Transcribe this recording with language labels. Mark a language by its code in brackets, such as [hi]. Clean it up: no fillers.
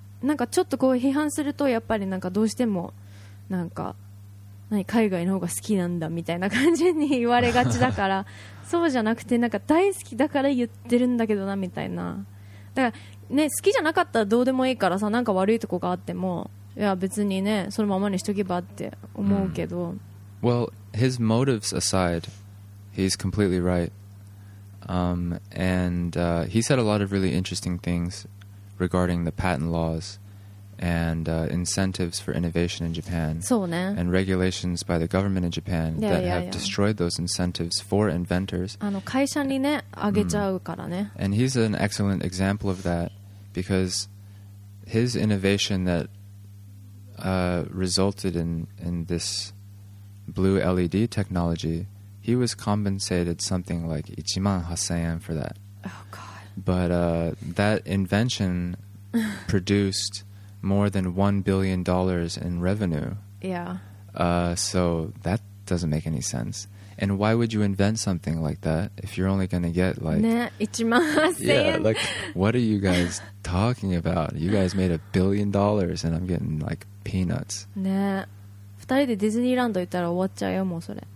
[ja] なんかちょっとこう批判するとやっぱりなんかどうしてもなんか何海外の方が好きなんだみたいな感じに言われがちだから、そうじゃなくてなんか大好きだから言ってるんだけどなみたいな。だからね、好きじゃなかったらどうでもいいからさ、なんか悪いとこがあってもいや別にね、そのままにしとけばって思うけど、うん、 [en] Well, his motives aside, he's completely right. He said a lot of really interesting things regarding the patent laws. And incentives for innovation in Japan. [ja] そうね。 [en] And regulations by the government in Japan that yeah, yeah, have destroyed those incentives for inventors. [ja] 会社にね、あげちゃうからね。 [en] And he's an excellent example of that because his innovation that resulted in this blue LED technology, he was compensated something like 18,000 yen for that. Oh God. But that invention produced more than $1 billion in revenue. Yeah. So that doesn't make any sense. And why would you invent something like that if you're only going to get like... [ja] ね、18,000円. [en] Yeah, like, what are you guys talking about? You guys made $1 billion and I'm getting like peanuts. [ja] ね。二人でディズニーランド行ったら終わっちゃうよ、もうそれ。